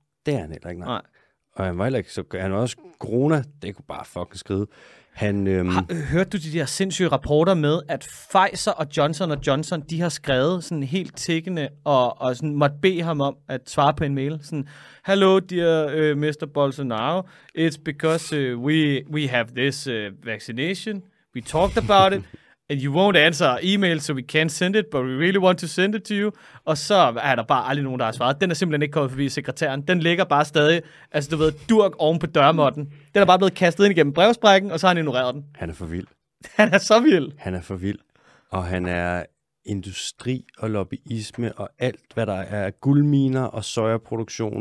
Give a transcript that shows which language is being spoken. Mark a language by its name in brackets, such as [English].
[Danish] Det er han heller ikke, nej. Og han var heller ikke så han var også corona, det kunne bare fucking skride. Hørte du de der sindssyge rapporter med, at Pfizer og Johnson & Johnson, de har skrevet sådan helt tækkende og sådan måtte bede ham om at svare på en mail? [English] Sådan, hello dear Mr. Bolsonaro, it's because we have this vaccination, we talked about it, and you won't answer our email, so we can't send it, but we really want to send it to you. [Danish] Og så er der bare aldrig nogen, der har svaret. Den er simpelthen ikke kommet forbi sekretæren. Den ligger bare stadig, altså du ved, durk oven på dørmåtten. Den er bare blevet kastet ind igennem brevsprækken, og så har han ignoreret den. Han er for vild. Han er så vild. Han er for vild. Og han er industri og lobbyisme og alt, hvad der er guldminer og sojaproduktion.